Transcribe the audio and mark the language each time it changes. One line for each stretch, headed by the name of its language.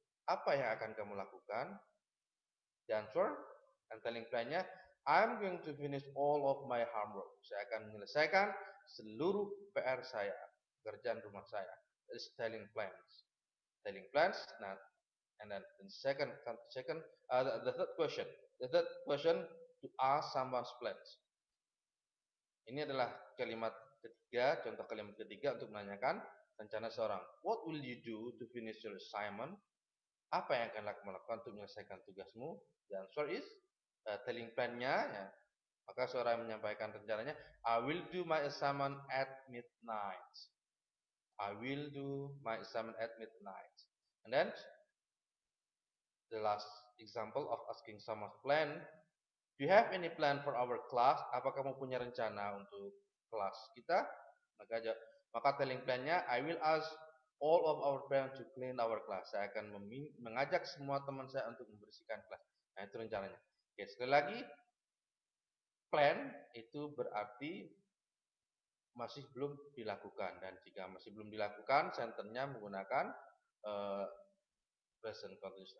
Indonesian: Apa yang akan kamu lakukan?
English: The answer, and telling plan-nya, I'm going to finish all of my homework.
Indonesian: Saya akan menyelesaikan seluruh PR saya, kerjaan rumah saya.
English: It's telling plans. Telling plans, not. And then the third question. The third question, to ask someone's plans.
Indonesian: Ini adalah kalimat ketiga, contoh kalimat ketiga untuk menanyakan rencana seorang.
English: What will you do to finish your assignment?
Indonesian: Apa yang akan kamu lakukan untuk menyelesaikan tugasmu?
English: The answer is telling plan-nya.
Indonesian: Ya. Maka seorang menyampaikan rencananya.
English: I will do my assignment at midnight. I will do my assignment at midnight. And then, the last example of asking someone's plan. Do you have any plan for our class?
Indonesian: Apa kamu punya rencana untuk kelas kita? Maka
English: telling plan-nya, I will ask all of our parents to clean our class.
Indonesian: Saya akan mengajak semua teman saya untuk membersihkan kelas. Nah, itu rencananya. Oke, sekali lagi, plan itu berarti masih belum dilakukan. Dan jika masih belum dilakukan, sentence-nya menggunakan present continuous.